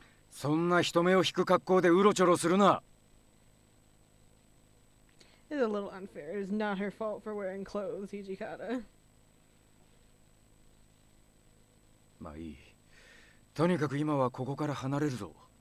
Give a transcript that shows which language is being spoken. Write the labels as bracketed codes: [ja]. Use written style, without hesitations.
[ja] そんな人目を引く格好でうろちょろするな。 [en] It's a little unfair. It's not her fault for wearing clothes, Hijikata. [ja] まあいい。とにかく今はここから離れるぞ。